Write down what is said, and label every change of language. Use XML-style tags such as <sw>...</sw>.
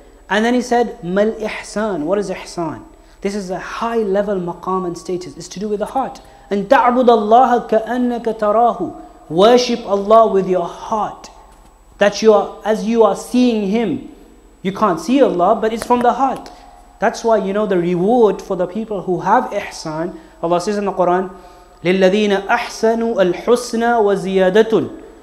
<en>And then he said,</en> <ar>مَلْ إِحْسَانِ.</ar> <en>What is إِحْسَانِ? This is a high level maqam and status. It's to do with the heart.</en> <ar>And تَعْبُدَ اللَّهَ كَأَنَّكَ تَرَاهُ.</ar> <en>Worship Allah with your heart. That you are, as you are seeing Him. You can't see Allah, but it's from the heart. That's why, you know, the reward for the people who have ihsan, Allah says in the Quran,</en> <ar>لِلَّذِينَ أَحْسَنُوا الْحُسْنَى وَزِيَادَةٌ.</ar>